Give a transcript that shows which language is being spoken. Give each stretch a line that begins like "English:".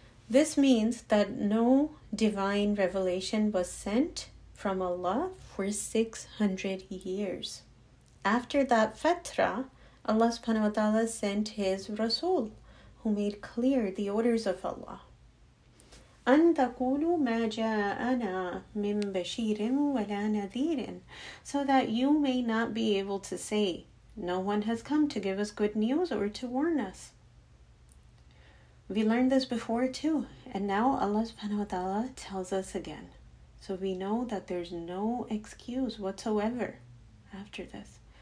English: This means that no divine revelation was sent from Allah for 600 years. After that fatra, Allah subhanahu wa ta'ala sent his Rasul, who made clear the orders of Allah.
Arabic: أن تقولوا ما جاءنا من بشير ولا نذير.
English: So that you may not be able to say, no one has come to give us good news or to warn us. We learned this before too, and now Allah subhanahu wa ta'ala tells us again. So we know that there's no excuse whatsoever after this.